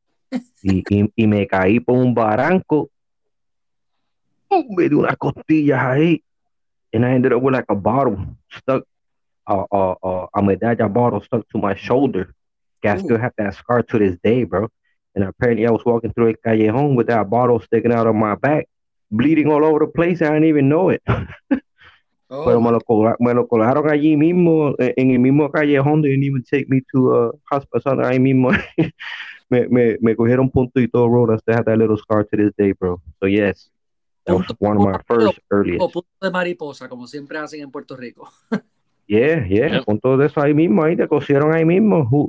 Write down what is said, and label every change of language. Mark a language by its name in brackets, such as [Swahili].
[Spanish] y me caí por un barranco. Me dio una costilla ahí, [English] and I ended up with like a bottle stuck, a medalla bottle stuck to my shoulder. I still have that scar to this day, bro. And apparently I was walking through a callejón with that bottle sticking out of my back, bleeding all over the place. And I didn't even know it. [Spanish] Oh, pero me lo colgaron allí mismo, en el mismo callejón. [English] They didn't even take me to a hospital. [Spanish] Ahí mismo me cogieron punto y todo, bro. [English] I still have that little scar to this day, bro. So, yes, that was one of my first earliest. [Spanish] Punto de mariposa, como siempre hacen en Puerto Rico. [English] Yeah. Yep. [Spanish] Con todo eso ahí mismo, ahí te cosieron ahí mismo.